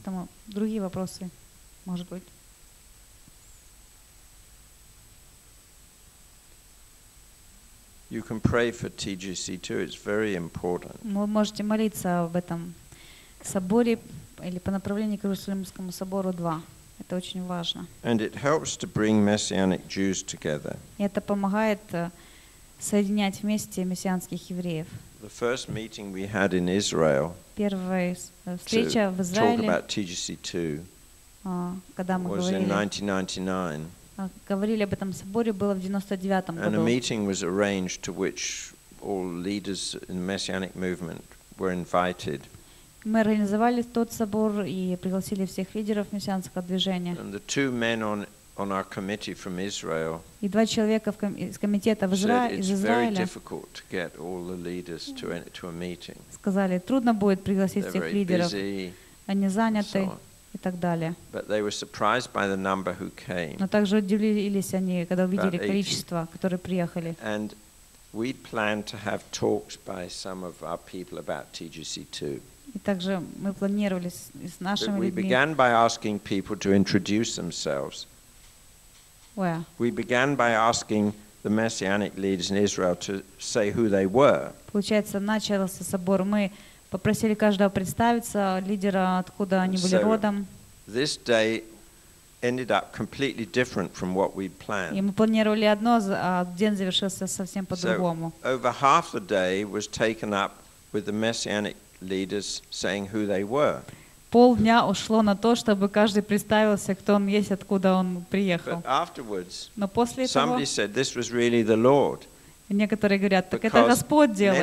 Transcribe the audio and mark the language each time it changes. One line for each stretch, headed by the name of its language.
Russian: Поэтому другие вопросы, может быть.
English: You can pray for TGC too. It's very important.
Russian: Вы можете молиться об этом соборе или по направлению к Иерусалимскому собору 2. Это очень важно.
English: And it helps to bring messianic Jews together.
Russian: Это помогает соединять вместе мессианских евреев.
English: The first meeting we had in Israel.
Russian: Первая встреча в Израиле.
English: Talk about TGC too.
Russian: Когда мы говорили.
English: Was in 1999.
Russian: Говорили об этом соборе, было в 99-м году.
English: And a meeting was arranged to which all leaders in the messianic movement were invited.
Russian: Мы организовали тот собор и пригласили всех лидеров мессианского движения.
English: And the two men on our committee from Israel.
Russian: И два человека из комитета в Израиле. Сказали, трудно будет пригласить всех лидеров. Они заняты.
English: But they were surprised by the number who came.
Russian: Но также удивились они, когда увидели количество, которые приехали.
English: And we planned to have talks by some of our people about TGC too.
Russian: И также мы планировали с нашими людьми.
English: We began by asking people to introduce themselves. Where? We began by asking the messianic leaders in Israel to say who they were.
Russian: Получается, начался собор, мы попросили каждого представиться, лидера, откуда они были родом.
English: This day ended up completely different from what we planned.
Russian: И мы планировали одно, а день завершился совсем по-другому.
English: So over half the day was taken up with the messianic leaders saying who they were.
Russian: Полдня ушло на то, чтобы каждый представился, кто он есть, откуда он приехал.
English: But afterwards,
Russian: но после этого,
English: somebody said this was really the Lord.
Russian: Некоторые говорят, так это Господь делает.